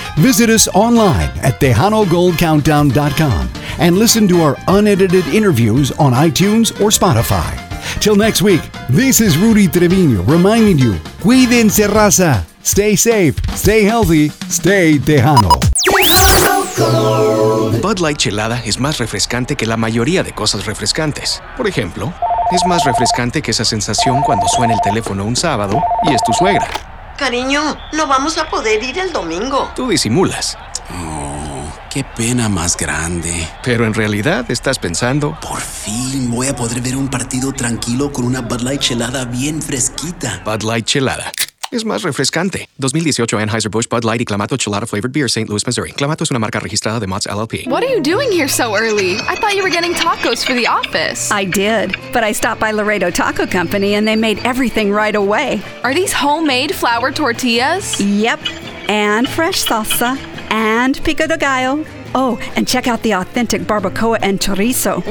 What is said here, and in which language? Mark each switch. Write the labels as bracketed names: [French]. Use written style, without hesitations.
[English] Visit us online at TejanoGoldCountdown.com and listen to our unedited interviews on iTunes or Spotify. Till next week, this is Rudy Trevino reminding you, [Spanish] cuídense raza, [English] stay safe, stay healthy, stay Tejano. [Spanish] Bud Light Chelada es más refrescante que la mayoría de cosas refrescantes. Por ejemplo, es más refrescante que esa sensación cuando suena el teléfono un sábado y es tu suegra. Cariño, no vamos a poder ir el domingo. Tú disimulas. Oh, qué pena más grande. Pero en realidad estás pensando... Por fin voy a poder ver un partido tranquilo con una Bud Light Chelada bien fresquita. Bud Light Chelada. es más refrescante. 2018 Anheuser-Busch Bud Light y Clamato Chelada Flavored Beer, St. Louis, Missouri. Clamato es una marca registrada de Mott's LLP. [English] What are you doing here so early? I thought you were getting tacos for the office. I did, but I stopped by Laredo Taco Company and they made everything right away. Are these homemade flour tortillas? Yep, and fresh salsa, and pico de gallo. Oh, and check out the authentic barbacoa and chorizo.